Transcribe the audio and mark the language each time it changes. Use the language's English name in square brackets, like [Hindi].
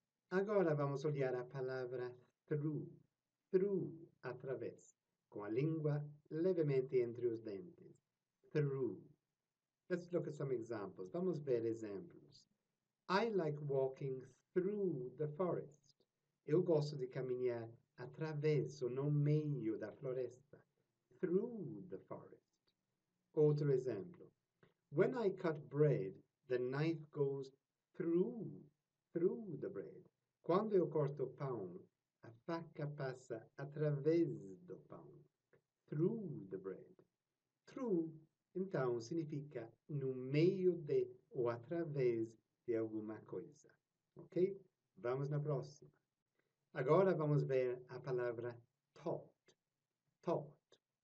[Portuguese] Agora, vamos olhar a palavra through. Through, através, com a língua levemente entre os dentes. Through. [English] Let's look at some examples. [Portuguese] Vamos ver exemplos. [English] I like walking through the forest. [Portuguese] Eu gosto de caminhar atravesso, no meio da floresta. [English] Through the forest. [Portuguese] Outro exemplo. [English] When I cut bread, the knife goes through, through the bread. [Portuguese] Quando eu corto pão, a faca passa através do pão. [English] Through the bread. [Portuguese] Through, então, significa no meio de ou através de alguma coisa. Ok? Vamos na próxima. Agora vamos ver a palavra taught. Taught.